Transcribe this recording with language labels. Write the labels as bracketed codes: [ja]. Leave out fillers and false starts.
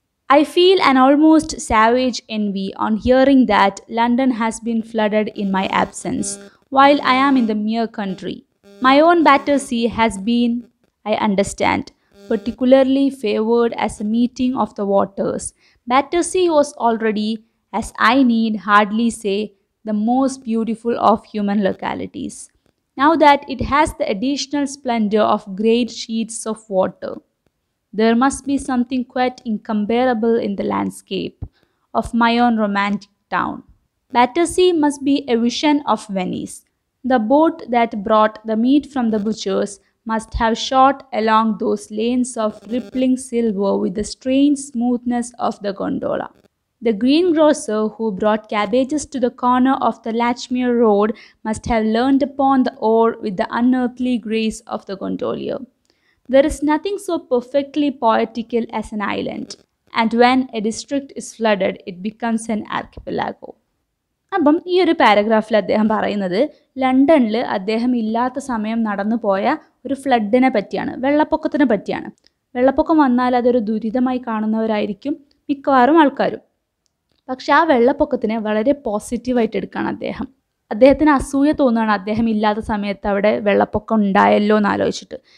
[en] I feel an almost savage envy on hearing that London has been flooded in my absence while I am in the mere country. My own Battersea has been, I understand, particularly favored as a meeting of the waters. Battersea was already, as I need hardly say, the most beautiful of human localities. Now that it has the additional splendor of great sheets of water, there must be something quite incomparable in the landscape of my own romantic town. Battersea must be a vision of Venice. The boat that brought the meat from the butchers must have shot along those lanes of rippling silver with the strange smoothness of the gondola. The greengrocer who brought cabbages to the corner of the Latchmere Road must have leaned upon the oar with the unearthly grace of the gondolier. There is nothing so perfectly poetical as an island, and when a district is flooded, it becomes an archipelago. [ml] അപ്പം ഈ ഒരു പാരഗ്രാഫിൽ അദ്ദേഹം പറയുന്നത് ലണ്ടനിൽ അദ്ദേഹം ഇല്ലാത്ത സമയം നടന്നു പോയ ഒരു ഫ്ലഡിനെ പറ്റിയാണ്, വെള്ളപ്പൊക്കത്തിനെ പറ്റിയാണ്. വെള്ളപ്പൊക്കം വന്നാൽ അതൊരു ദുരിതമായി കാണുന്നവരായിരിക്കും മിക്കവാറും ആൾക്കാരും. പക്ഷെ ആ വെള്ളപ്പൊക്കത്തിനെ വളരെ പോസിറ്റീവായിട്ട് എടുക്കുകയാണ് അദ്ദേഹം. അദ്ദേഹത്തിന് അസൂയ തോന്നുകയാണ് അദ്ദേഹം ഇല്ലാത്ത സമയത്ത് അവിടെ വെള്ളപ്പൊക്കം ഉണ്ടായല്ലോ എന്ന് ആലോചിച്ചിട്ട്.